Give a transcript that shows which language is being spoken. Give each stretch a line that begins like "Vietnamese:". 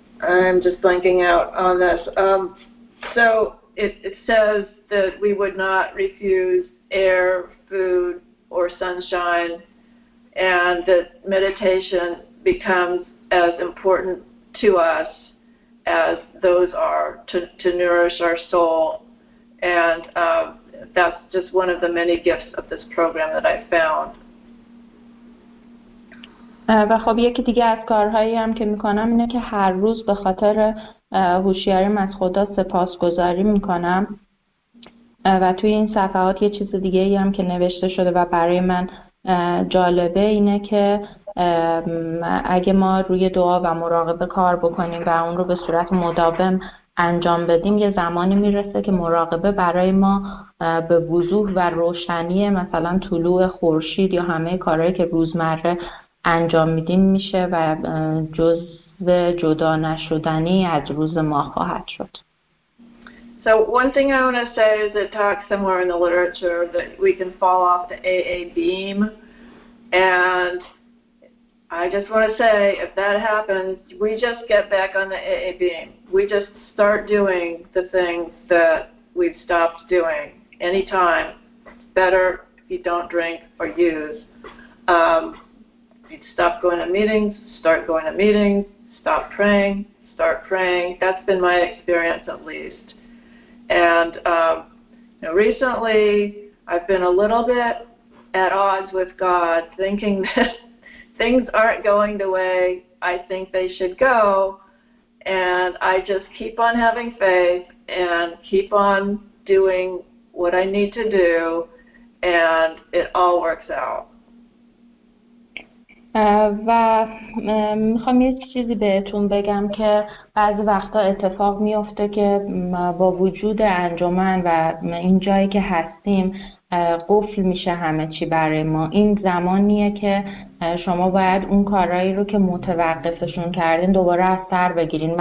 English: I'm just blanking out on this. So it says that we would not refuse air, food, or sunshine, and that meditation becomes as important to us as those are to nourish our soul. And that's just one of the many gifts of this program that I found.
Persian: و خب یکی دیگه از کارهایی هم که میکنم اینه که هر روز به خاطر هوشیاریم از خدا سپاسگزاری میکنم. و توی این صفحات یه چیز دیگه ای هم که نوشته شده و برای من جالبه اینه که اگه ما روی دعا و مراقبه کار بکنیم و اون رو به صورت مداوم انجام بدیم، یه زمانی میرسه که مراقبه برای ما به وضوح و روشنی مثلا طلوع خورشید یا همه کارهایی که روزمره انجام میدیم میشه و جزو جدا نشدنی از روز ما خواهد شد.
English: So one thing I want to say is it talks somewhere in the literature that we can fall off the AA beam. And I just want to say if that happens, we just get back on the AA beam. We just start doing the things that we've stopped doing anytime. It's better if you don't drink or use. Stop going to meetings, start going to meetings, stop praying, start praying. That's been my experience at least. And recently I've been a little bit at odds with God, thinking that things aren't going the way I think they should go. And I just keep on having faith and keep on doing what I need to do, and it all works out.
Persian: و میخوام یه چیزی بهتون بگم که بعضی وقتا اتفاق میفته که با وجود انجمن و این جایی که هستیم قفل میشه همه چی برای ما. این زمانیه که شما باید اون کارهایی رو که متوقفشون کردین دوباره از سر بگیرین.